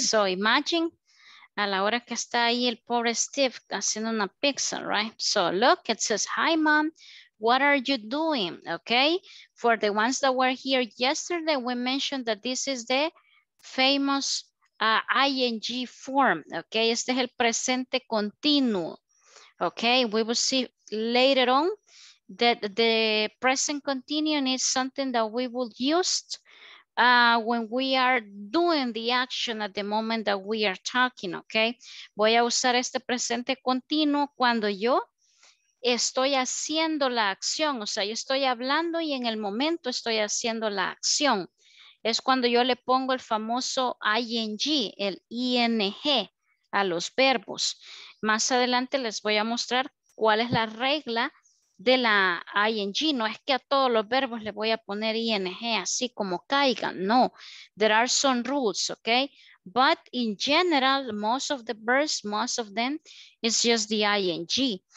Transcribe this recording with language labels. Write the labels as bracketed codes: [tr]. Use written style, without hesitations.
[en] So imagine [es] a la hora que está ahí el pobre Steve haciendo una pizza, right? [en] So look, it says, hi, Mom. What are you doing? Okay. For the ones that were here yesterday, we mentioned that this is the famous ING form. Okay. [es] Este es el presente continuo. Okay. [en] We will see later on that the present continuum is something that we will use when we are doing the action at the moment that we are talking. Okay. [es] Voy a usar este presente continuo cuando yo estoy haciendo la acción, o sea, yo estoy hablando y en el momento estoy haciendo la acción. Es cuando yo le pongo el famoso ING, el ING a los verbos. Más adelante les voy a mostrar cuál es la regla de la ING. No es que a todos los verbos le voy a poner ING así como caigan, no. [en] There are some rules, okay? But in general, most of the verbs, most of them, it's just the ING.